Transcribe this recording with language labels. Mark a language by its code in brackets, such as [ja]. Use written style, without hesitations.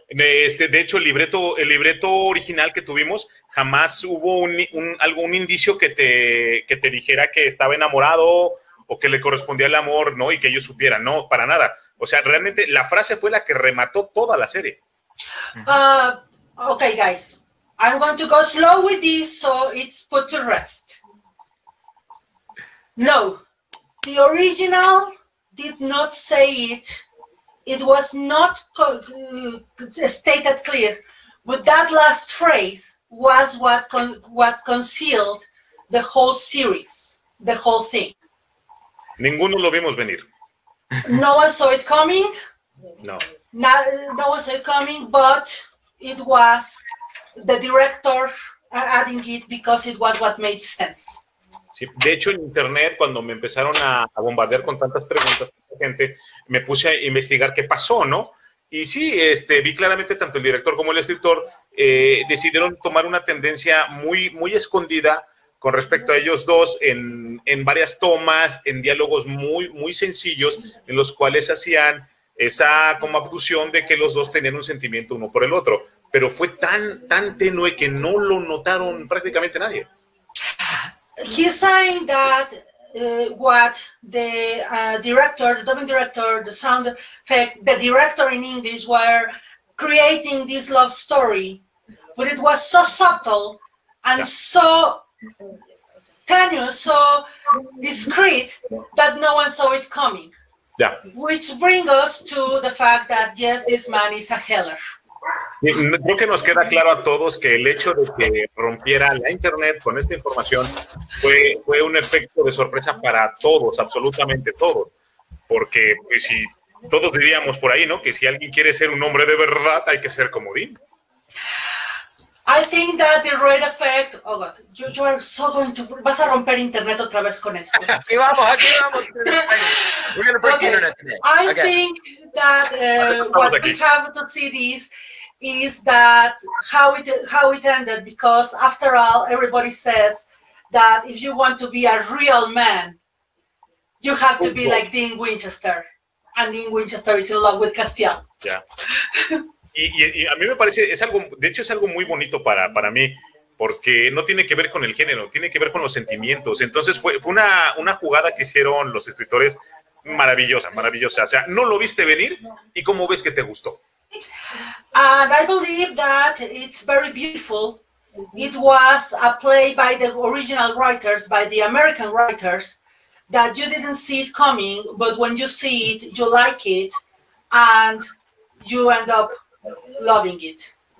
[es] De hecho, el libreto original que tuvimos, jamás hubo algún indicio que te dijera que estaba enamorado o que le correspondía el amor, ¿no? Y que ellos supieran, no, para nada. O sea, realmente la frase fue la que remató toda la serie. [en] Okay, guys. I'm going to go slow with this so it's put to rest. No, the original did not say it. It was not stated clear. But that last phrase was what concealed the whole series, the whole thing. [es] Ninguno lo vimos venir. [en] No one saw it coming. No. No one saw it coming, but it was the director adding it because it was what made sense. [es] Sí, de hecho, en internet, cuando me empezaron a bombardear con tantas preguntas, gente, me puse a investigar qué pasó, ¿no? Y sí, vi claramente tanto el director como el escritor decidieron tomar una tendencia muy, muy escondida con respecto a ellos dos en varias tomas, en diálogos muy, muy sencillos, en los cuales hacían esa como abducción de que los dos tenían un sentimiento uno por el otro. Pero fue tan, tan tenue que no lo notaron prácticamente nadie. [en] He's saying that what the director, the dubbing director, the sound effect, the director in English were creating this love story, but it was so subtle and so tenuous, so discreet that no one saw it coming. Which brings us to the fact that yes, this man is a heller. [es] Creo que nos queda claro a todos que el hecho de que rompiera la internet con esta información fue un efecto de sorpresa para todos, absolutamente todos. Porque pues, si todos diríamos por ahí, ¿no? Que si alguien quiere ser un hombre de verdad, hay que ser como Dean. [en] I think that the red effect. Oh God, you are so going to. [es] Vas a romper internet otra vez con esto. Aquí vamos, aquí vamos. [en] We're gonna break the Okay, internet today. I Again. think that [es] Estamos [en] what we [es] aquí. [en] have to see is that how it ended, because after all, everybody says that if you want to be a real man, you have to be [es] Punto. [en] like Dean Winchester, and Dean Winchester is in love with Castiel. [es] Ya. Y a mí me parece, es algo, de hecho es algo muy bonito para mí, porque no tiene que ver con el género, tiene que ver con los sentimientos. Entonces fue una jugada que hicieron los escritores maravillosa, maravillosa. O sea, no lo viste venir y cómo ves que te gustó. [en] And I believe that it's very beautiful. It was a play by the original writers, by the American writers, that you didn't see it coming, but when you see it, you like it, and you end up loving it.